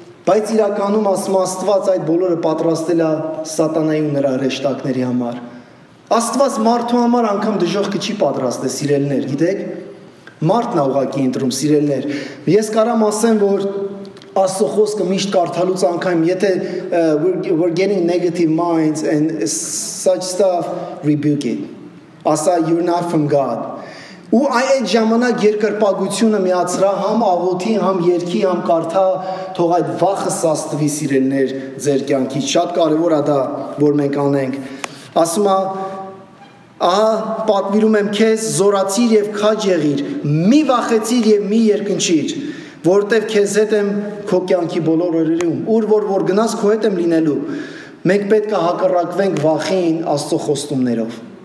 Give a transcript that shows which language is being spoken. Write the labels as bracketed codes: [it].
[hy] Բայց իրականում ասում Աստված այդ բոլորը պատրաստել է Սատանայի ու նրա հրեշտակների համար։ Աստված մարդու համար անգամ դժողքը չի պատրաստել, սիրելիներ, գիտեք։ Մարդն է ուղակի ընտրում, սիրելիներ։ Ես կարամ ասեմ, որ Աստծո խոսքը միշտ կարդալուց անգամ, եթե [en] we're getting negative minds and such stuff, rebuke it. [hy] Ասա, [en] you're not from God. [hy] Ու այդ ժամանակ երկրպագությունը միացրա համ աղոթի, համ երկի, համ կարդա, թող այդ վախը սաստվի, սիրելիներ, ձեր կյանքից։ Շատ կարևոր է դա, որ մենք անենք։ Ասում է, ահա պատվիրում եմ քեզ, զորացիր եւ քաջ եղիր, մի վախեցիր եւ մի երկնչիր, որտեւ քեզ հետ եմ քո կյանքի բոլոր օրերում, ուր որ գնաս քո հետ եմ լինելու։ Մենք պետք է հակառակվենք վախին Աստծո խոստումներով։